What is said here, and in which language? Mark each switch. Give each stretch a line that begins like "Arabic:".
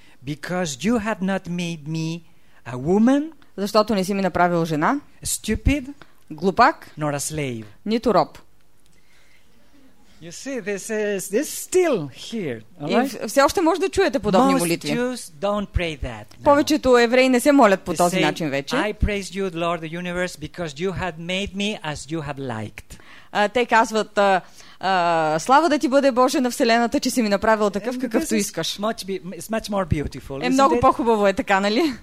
English: Because you have not made me a woman.
Bulgarian: Защото не си ми направил жена.
English: Stupid.
Bulgarian: Глупак.
English: Nor a slave.
Bulgarian: Нито роб.
English: You see, this is still here. All right?
Bulgarian: И все още може да чуете подобни молитви.
English: Most Jews don't pray that.
Bulgarian: Повечето евреи не се молят по този начин вече.
English: I praise you, Lord, the universe, because you had made me as you have liked.
Bulgarian: Те казват, слава да ти бъде Боже на вселената, че си ми направил такъв какъвто искаш.
English: It's much more beautiful.
Bulgarian: Е много по-хубаво е така, нали?